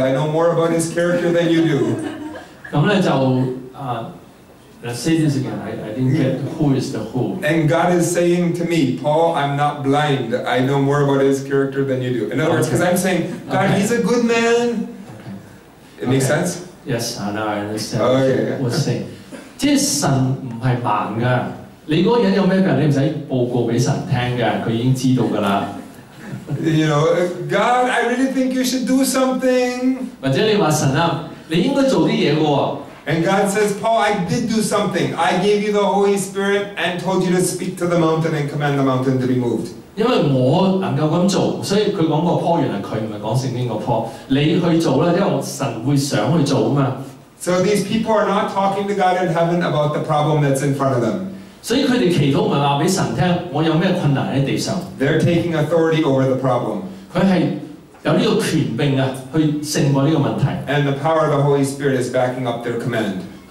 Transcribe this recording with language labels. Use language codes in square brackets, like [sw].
[en] I know more about his character than you do. Let's say this again, I didn't get who is the who. And God is saying to me, Paul, I'm not blind. I know more about his character than you do. In other words, because I'm saying, God, he's a good man. It makes sense? Yes, I know, I understand. Okay. We'll see. [zh] 即是神不是盲的，你那個人有什麼病，你不用報告給神聽的，他已經知道了。 [en] You know, God, I really think you should do something. [zh] 或者你說神啊，你應該做些事的。 [en] And God says, Paul, I did do something. I gave you the Holy Spirit and told you to speak to the mountain and command the mountain to be moved. [zh] 因為我能夠這樣做，所以他說過Paul原來他不是說聖經的Paul，你去做，因為神會想去做嘛。 [en] So these people are not talking to God in heaven about the problem that's in front of them. [zh] 所以他們祈禱不是告訴神聽我有什麼困難在地上。 [en] They're taking authority over the problem. [zh] 他是有這個權柄去勝過這個問題。 [en] And the power of the Holy Spirit is backing up their command.